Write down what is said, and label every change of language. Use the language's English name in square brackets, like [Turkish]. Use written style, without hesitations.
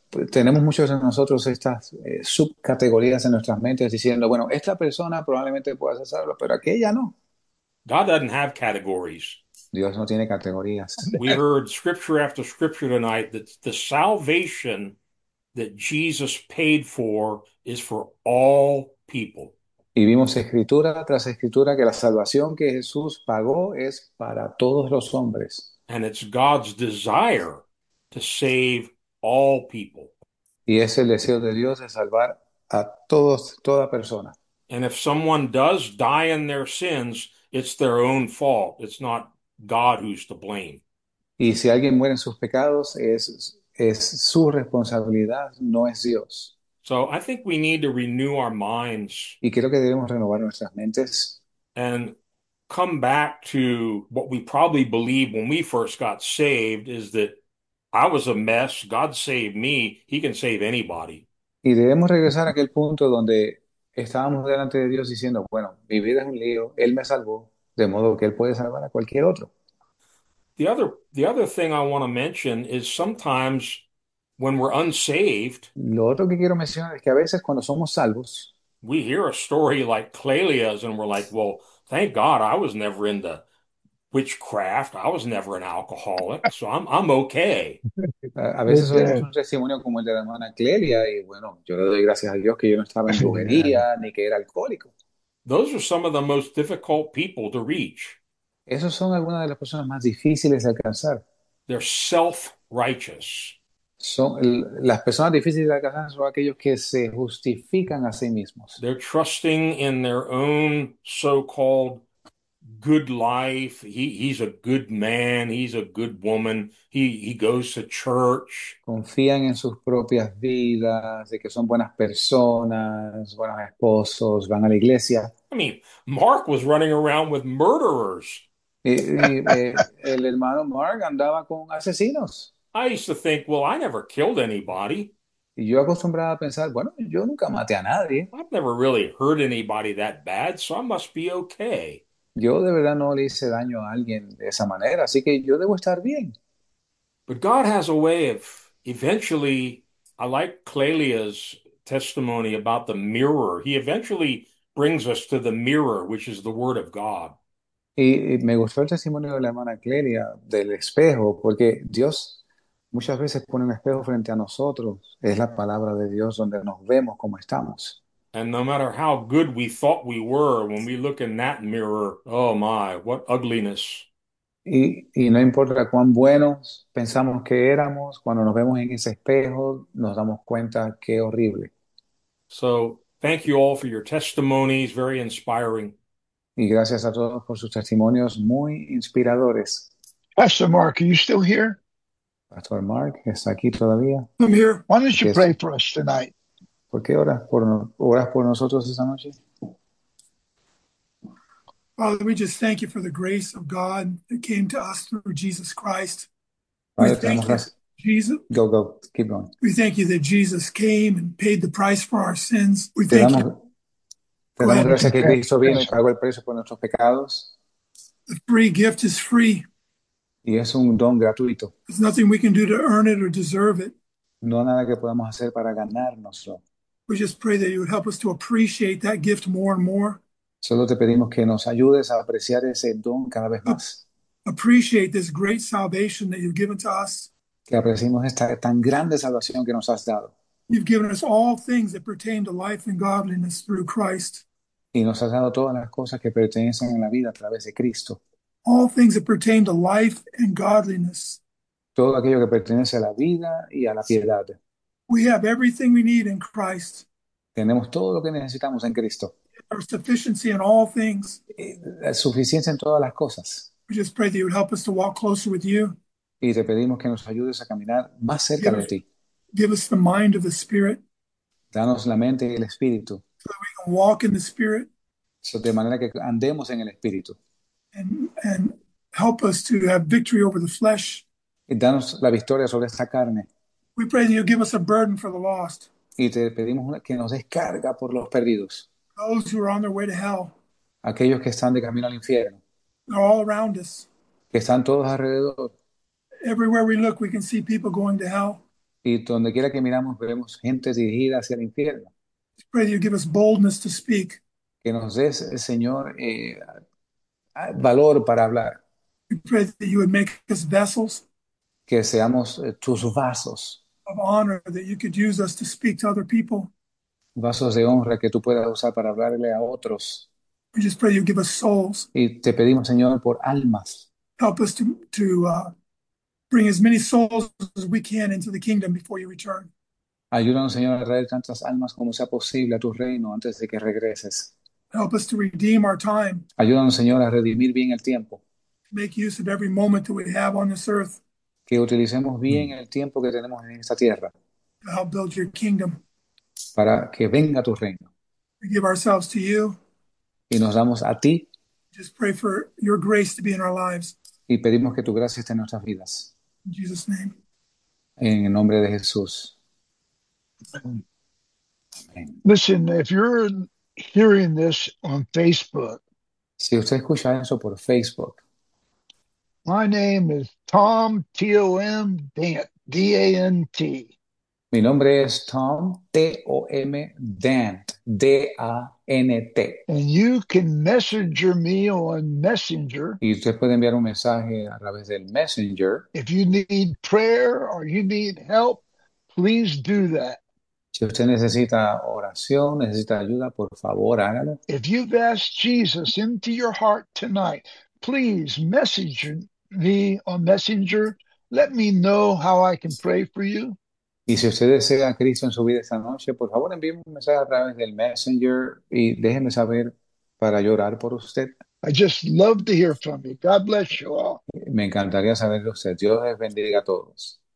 [Spanish] Tenemos muchos de nosotros estas subcategorías en nuestras mentes diciendo, bueno, esta persona probablemente pueda hacerlo, pero aquella no. [English] God doesn't have categories. [Spanish] Dios no tiene categorías. [English] We heard scripture after scripture tonight that the salvation that Jesus paid for is for all people. [Spanish] Y vimos escritura tras escritura que la salvación que Jesús pagó es para todos los hombres. [English] And it's God's desire to save all people. [Spanish] Y es el deseo de Dios de salvar a todos, toda persona. [English] And if someone does die in their sins, it's their own fault. It's not God who's to blame. [Spanish] Y si alguien muere en sus pecados, es su responsabilidad, no es Dios. [English] So I think we need to renew our minds [Spanish] Y creo que debemos renovar nuestras mentes. [English] and come back to what we probably believed when we first got saved is that I was a mess. God saved me. He can save anybody. [Spanish] Y debemos regresar a aquel punto donde estábamos delante de Dios diciendo, bueno, mi vida es un lío, Él me salvó, de modo que Él puede salvar a cualquier otro. [English] The other thing I want to mention is sometimes when we're unsaved, [Spanish] Lo otro que quiero mencionar es que a veces cuando somos salvos, [English] we hear a story like Clelia's and we're like, well, thank God I was never into witchcraft. I was never an alcoholic, so I'm okay. [Spanish] a veces oímos [English] Amen. [Spanish] un testimonio como el de la hermana Clelia, y bueno, yo le doy gracias a Dios que yo no estaba en [English] Amen. [Spanish] brujería ni que era alcohólico. [English] Those are some of the most difficult people to reach. [Spanish] Esas son algunas de las personas más difíciles de alcanzar. [English] They're self-righteous. [Spanish] Son las personas difíciles de alcanzar son aquellos que se justifican a sí mismos. [English] They're trusting in their own so-called good life. He's a good man. He's a good woman. He goes to church. [Spanish] Confían en sus propias vidas, de que son buenas personas, buenos esposos, van a la iglesia. [English] I mean, Mark was running around with murderers. [Spanish] El hermano Mark andaba con asesinos. [English] I used to think, well, I never killed anybody. [Spanish] Y yo acostumbraba a pensar, bueno, yo nunca maté a nadie. [English] I've never really hurt anybody that bad, so I must be okay. [Spanish] Yo de verdad no le hice daño a alguien de esa manera, así que yo debo estar bien. [English] But God has a way of eventually, I like Clelia's testimony about the mirror. He eventually brings us to the mirror, which is the Word of God. [Spanish] Y me gustó el testimonio de la hermana Clelia del espejo, porque Dios muchas veces pone un espejo frente a nosotros. Es la palabra de Dios donde nos vemos como estamos. [English] And no matter how good we thought we were, when we look in that mirror, oh my, what ugliness. [Spanish] Y no importa cuán buenos pensamos que éramos, cuando nos vemos en ese espejo, nos damos cuenta qué horrible. [English] So, thank you all for your testimonies, very inspiring. [Spanish] Y gracias a todos por sus testimonios muy inspiradores. [English] Pastor Mark, are you still here? [Spanish] Pastor Mark está aquí todavía. [English] I'm here. Why don't [Spanish] ¿Y [English] you [Spanish] qué [English] pray [Spanish] es? [English] for us tonight? [Spanish] ¿Por qué oras por nosotros esa noche? [English] Father, we just thank you for the grace of God that came to us through Jesus Christ. We [Spanish] Padre, te [English] thank [Spanish] damos [English] you, [Spanish] gracias. [English] Jesus. Go, go, keep going. We thank you that Jesus came and paid the price for our sins. We [Spanish] Te [English] thank you. Go [Spanish] damos [English] ahead. [Spanish] gracias que Cristo vino y pagó el precio por nuestros pecados. [English] The free gift is free. [Spanish] Y es un don gratuito. [English] There's nothing we can do to earn it or deserve it. [Spanish] No nada que podamos hacer para ganárnoslo. [English] We just pray that you would help us to appreciate that gift more and more. [Spanish] Solo te pedimos que nos ayudes a apreciar ese don cada vez más. [English] Appreciate this great salvation that you've given to us. [Spanish] Que apreciemos esta tan grande salvación que nos has dado. [English] You've given us all things that pertain to life and godliness through Christ. [Spanish] Y nos has dado todas las cosas que pertenecen en la vida a través de Cristo. [English] All things that pertain to life and godliness. [Spanish] Todo aquello que pertenece a la vida y a la piedad. [English] We have everything we need in Christ. [Spanish] Tenemos todo lo que necesitamos en Cristo. [English] Our sufficiency in all things. [Spanish] La suficiencia en todas las cosas. [English] We just pray that you would help us to walk closer with you. [Spanish] Y te pedimos que nos ayudes a caminar más cerca [English] Give [Spanish] de [English] us [Spanish] ti. [English] the mind of the Spirit. [Spanish] Danos la mente y el espíritu. [English] Walk in the Spirit [Spanish] De manera que andemos en el espíritu. [English] and help us to have victory over the flesh. [Spanish] Y danos la victoria sobre esta carne. [English] We pray that you give us a burden for the lost. [Spanish] Y te pedimos que nos des carga por los perdidos. [English] Those who are on their way to hell. [Spanish] Aquellos que están de camino al infierno. [English] They're all around us. [Spanish] Que están todos alrededor. [English] Everywhere we look, we can see people going to hell. [Spanish] Y donde quiera que miramos, vemos gente dirigida hacia el infierno. [English] Pray that you give us boldness to speak. [Spanish] Que nos des, Señor, valor para hablar. [English] We pray that you would make us vessels [Spanish] Que seamos tus vasos, [English] of honor, that you could use us to speak to other people. [Spanish] vasos de honra que tú puedas usar para hablarle a otros. [English] We just pray you give us souls. [Spanish] Y te pedimos, Señor, por almas. [English] Help us to bring as many souls as we can into the kingdom before you return. [Spanish] Ayúdanos, Señor, a traer tantas almas como sea posible a tu reino antes de que regreses. [English] Help us to redeem our time. [Spanish] Ayúdanos, Señor, a redimir bien el tiempo. [English] Make use of every moment that we have on this earth. [Spanish] Que utilicemos bien el tiempo que tenemos en esta tierra [English] To help build your kingdom. [Spanish] para que venga tu reino. [English] We give ourselves to you. [Spanish] Y nos damos a ti [English] Just pray for your grace to be in our lives. [Spanish] y pedimos que tu gracia esté en nuestras vidas. [English] In Jesus' name. [Spanish] En el nombre de Jesús. Amén. [English] Listen, if you're hearing this on Facebook, [Spanish] Si usted escucha eso por Facebook. [English] my name is Tom Tom Dant, Dant. [Spanish] Mi nombre es Tom, Tom Dant, Dant. [English] And you can messenger me on Messenger. [Spanish] Y usted puede enviar un mensaje a través del Messenger. [English] If you need prayer or you need help, please do that. [Spanish] Si usted necesita oración, necesita ayuda, por favor, hágalo. [English] If you've asked Jesus into your heart tonight, please message me on Messenger. Let me know how I can pray for you. [Spanish] Y si usted desea a Cristo en su vida esta noche, por favor envíe un mensaje a través del Messenger y déjeme saber para llorar por usted. [English] I just love to hear from you. God bless you all. [Spanish] Me encantaría saber de usted. Dios les bendiga a todos.